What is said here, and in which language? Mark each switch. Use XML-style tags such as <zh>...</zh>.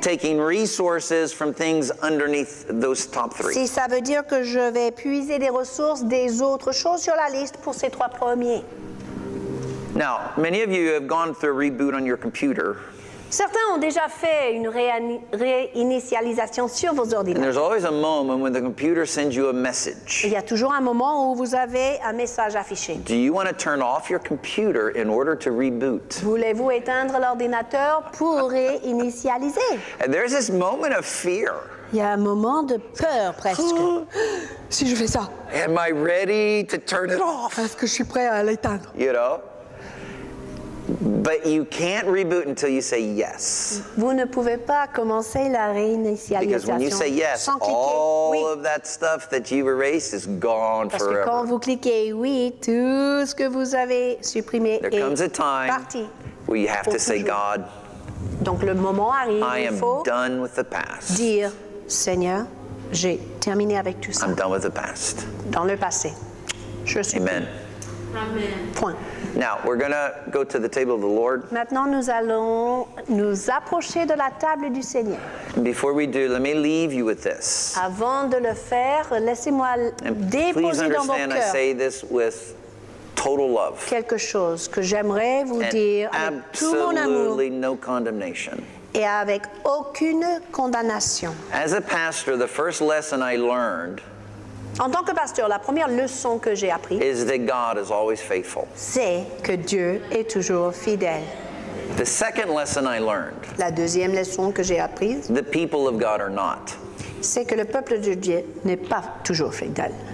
<en>taking resources from things underneath those top three.</en> <fr>Si ça veut dire que je vais puiser des ressources des autres choses sur la liste pour ces trois premiers.</fr> <en>Now, many of you have gone through a reboot on your computer.</en> <fr>Certains ont déjà fait une réinitialisation sur vos ordinateurs.</fr> <en>And there's always a moment when the computer sends you a message.</en> <fr>Il y a toujours un moment où vous avez un message affiché.</fr> <en>Do you want to turn off your computer in order to reboot?</en> <fr>Voulez-vous éteindre l'ordinateur pour réinitialiser?</fr> <en>And there's this moment of fear.</en> <fr>Il y a un moment de peur presque. Si je fais ça.</fr> <en>Am I ready to turn it off?</en> <fr>Est-ce que je suis prêt à l'éteindre?</fr> <en>You know? But you can't reboot until you say yes.</en> <fr>Vous ne pouvez pas commencer la réinitialisation.</fr> <en>Because when you say yes, all</en> <fr>oui.</fr> <en>of that stuff that you've erased is gone</en> <fr>Parce</fr> <en>forever.</en> <fr>Parce que quand vous cliquez oui, tout ce que vous avez supprimé</fr> <en>There There comes a time</en> <fr>parti.</fr> <en>Where you have</en> <fr>Au</fr> <en>to say God.</en> <fr>Donc le moment arrive.</fr> <en>I am done with the past.</en> <fr>Dire Seigneur, j'ai terminé avec tout ça.</fr> <en>I'm done with the past.</en> <fr>Dans le passé. Je suis Amen. Amen. Point.</fr> <en>Now, we're going to go to the table of the Lord.</en> <fr>Maintenant, nous allons nous approcher de la table du Seigneur.</fr> <en>Before we do, let me leave you with this.</en> <fr>Avant de le faire, laissez-moi déposer dans vos cœurs.</fr> <en>Please understand, I say this with total love.</en> <fr>Quelque chose que j'aimerais vous</fr> <en>And</en> <fr>dire avec tout mon amour.</fr> <en>Absolutely no condemnation.</en> <fr>Et avec aucune condamnation.</fr> <en>As a pastor, the first lesson I learned</en> <fr>En tant que pasteur, la première leçon que j'ai apprise est que Dieu est toujours fidèle.</fr> <en>The second lesson I learned,</en> <fr>la deuxième leçon que j'ai apprise</fr> <en>the people of God are not.</en> <fr>C'est que le peuple de Dieu n'est pas toujours fidèle.</fr>